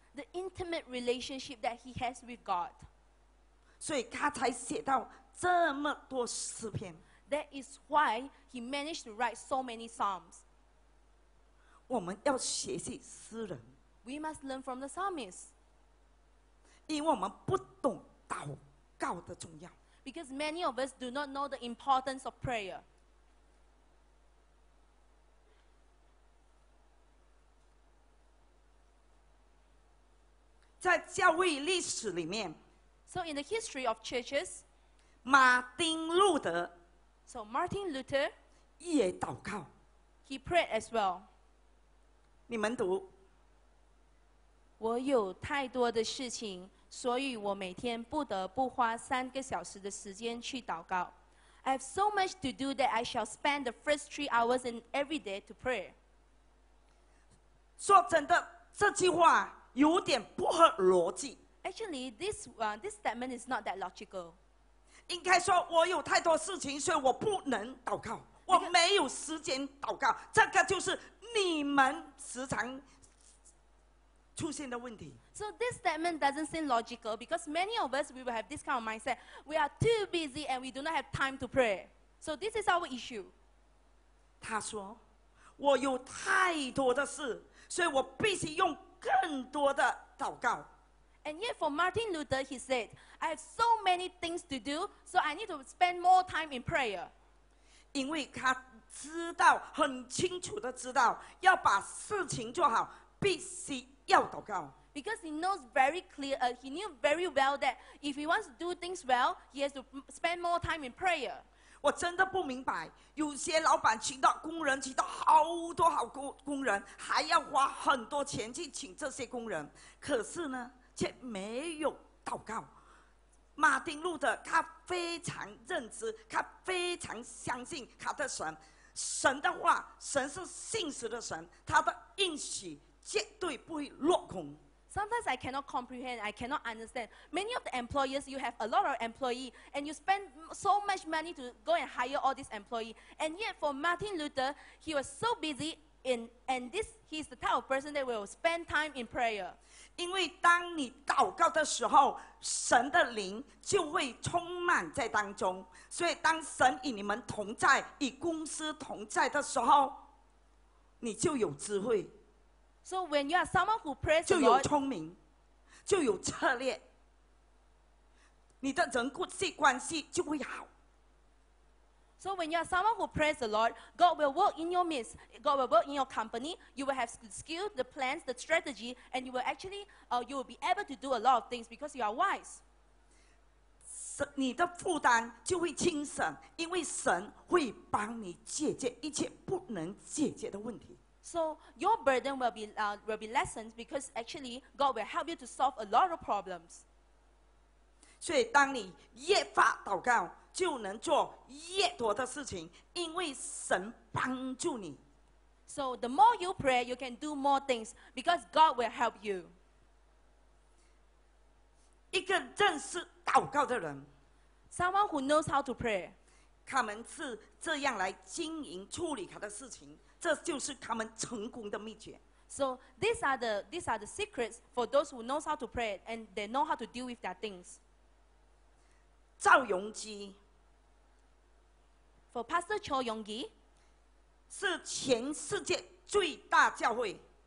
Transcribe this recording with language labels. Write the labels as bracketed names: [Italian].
[English] ，the intimate relationship that he has with God， [Chinese] 所以他才写到这么多诗篇。 [English] That is why he managed to write so many psalms。 [Chinese] 我们要学习诗人 [English] ，we must learn from the psalmist， [Chinese] 因为我们不懂祷告的重要。 [English] Because many of us do not know the importance of prayer。 [Chinese] 在教会历史里面 [English] ，So in the history of churches， [Chinese] 马丁路德 [English] ，So Martin Luther [Chinese] 也祷告 [English] ，He prayed as well。 [Chinese] 你们读，我有太多的事情，所以我每天不得不花3个小时的时间去祷告。 [English] I have so much to do that I shall spend the first 3 hours in every day to pray。 [Chinese] 说真的，这句话。有点不合逻辑。 [English] Actually, this statement is not that logical. [Chinese] 应该说我有太多事情，所以我不能祷告，我没有时间祷告。这个就是你们时常出现的问题。 [English] So this statement doesn't seem logical because many of us we will have this kind of mindset. We are too busy and we do not have time to pray. So this is our issue. [Chinese] 他说，我有太多的事，所以我必须用。更多的祷告 [English] And yet for Martin Luther, he said, I have so many things to do, so I need to spend more time in prayer. [Chinese] 因为他知道，很清楚的知道，要把事情做好，必须要祷告。 [English] Because he knows very clear, he knew very well that if he wants to do things well, he has to spend more time in prayer. [Chinese] 我真的不明白，有些老板请到工人，请到好多好工人，还要花很多钱去请这些工人，可是呢，却没有祷告。马丁路德他非常认知，他非常相信他的神，神的话，神是信实的神，他的应许绝对不会落空。 [English] Sometimes I cannot comprehend, I cannot understand. Many of the employers, you have a lot of employees, and you spend so much money to go and hire all these employees. And yet for Martin Luther, he was so busy, he's the type of person that will spend time in prayer. [Chinese] 因为当你祷告的时候，神的灵就会充满在当中。所以当神与你们同在，与公司同在的时候，你就有智慧。 [English] So when you are someone who prays, [Chinese] 就有聪明，就有策略，你的人际关系就会好。 [English] So when you are someone who prays the Lord, God will work in your midst. God will work in your company. You will have skills, the plans, the strategy, and you will actually, you will be able to do a lot of things because you are wise. [Chinese] 你的负担就会轻省，因为神会帮你解决一切不能解决的问题。 [English] So your burden will be lessened because actually God will help you to solve a lot of problems. [Chinese] 所以当你越发祷告，就能做越多的事情，因为神帮助你。 [English] So the more you pray, you can do more things because God will help you. [Chinese] 一个认识祷告的人， [English] someone who knows how to pray, [Chinese] 他们是这样来经营处理他的事情。这就是他们成功的秘诀。 [English] So these are the secrets for those who knows how to pray and they know how to deal with their things. [Chinese] 赵荣基 [English] ，For Pastor Cho Yonggi, [Chinese] 是全世界最大教会。